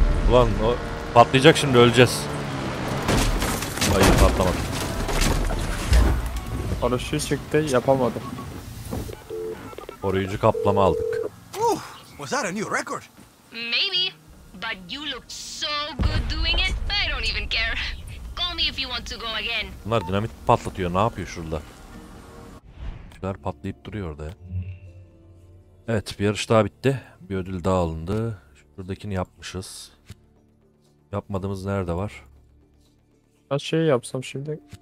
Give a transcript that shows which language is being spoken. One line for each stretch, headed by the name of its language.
Turkish: Ulan o patlayacak şimdi, öleceğiz. Hayır, patlamadı. Paraşüt çıktı, yapamadım. Koruyucu kaplama aldık.
English: Oh, was that a new record? Maybe, but you looked so good doing it. I don't even care. Call me if you want to go again.
Turkish: Bunlar dinamit patlatıyor. Ne yapıyor şurada? Şunlar patlayıp duruyor orada. Evet, bir yarış daha bitti. Bir ödül daha alındı. Şuradakini yapmışız. Yapmadığımız nerede var? Ben şey yapsam şimdi.